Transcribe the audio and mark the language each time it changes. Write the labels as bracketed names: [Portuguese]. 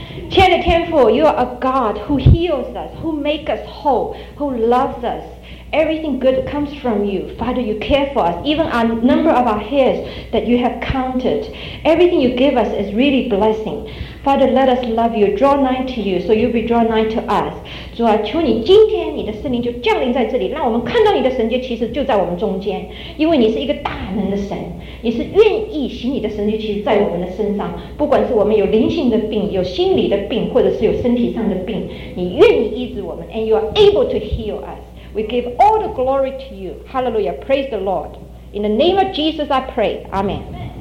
[Chinese] 亲爱的天父 [English] ，You are a God who heals us, who makes us whole, who loves us. Everything good comes from You, Father. You care for us, even our number of our hairs that You have counted. Everything You give us is really blessing. Father, let us love you, draw nigh to you, so you'll be drawn nigh to us. [Chinese] 主啊，求你今天你的圣灵就降临在这里，让我们看到你的神迹其实就在我们中间，因为你是一个大能的神，你是愿意行你的神迹其实在我们的身上，不管是我们有灵性的病，有心理的病，或者是有身体上的病，你愿意医治我们， [English] and you are able to heal us. We give all the glory to you. Hallelujah, praise the Lord. In the name of Jesus, I pray. Amen. Amen.